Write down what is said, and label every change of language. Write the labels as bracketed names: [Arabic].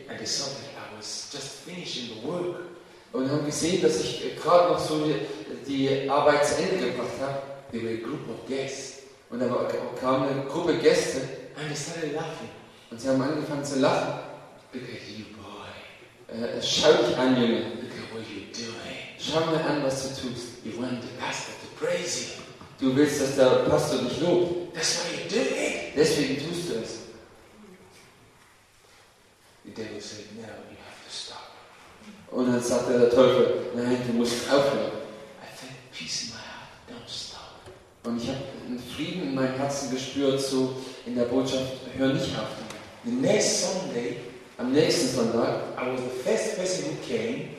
[English] and they saw that I was just finishing the work, [German] und haben gesehen, dass ich gerade noch so die Arbeit zu Ende gebracht habe. [English] They were a group of guests. [German] Und da kam eine Gruppe Gäste, [English] and they started laughing. [German] Und sie haben angefangen zu lachen. [English] Look at you, boy. [German] Schau dich an, Junge. [English] Look at what you're doing. [German] Schau mir an, was du tust. [English] You want the pastor to praise you. [German] Du willst, dass der Pastor dich lobt. [English] That's why you're doing it. [German] Deswegen tust du es. [English] The devil said, no, you have to stop. [German] Und dann sagte der Teufel, nein, du musst aufhören. [English] I felt peace in my heart. Don't stop. [German] Und ich habe einen Frieden in meinem Herzen gespürt, so in der Botschaft, hör nicht auf. [English] The next Sunday, [German] am nächsten Sonntag, [English] I was the first person who came,